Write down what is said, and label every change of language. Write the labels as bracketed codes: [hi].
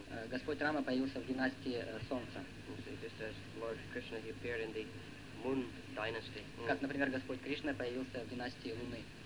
[ru] Господь Рама появился в династии Солнца. [en] Just as Lord Krishna he appeared in the Moon dynasty. [ru] Как, например, Господь Кришна появился в династии Луны.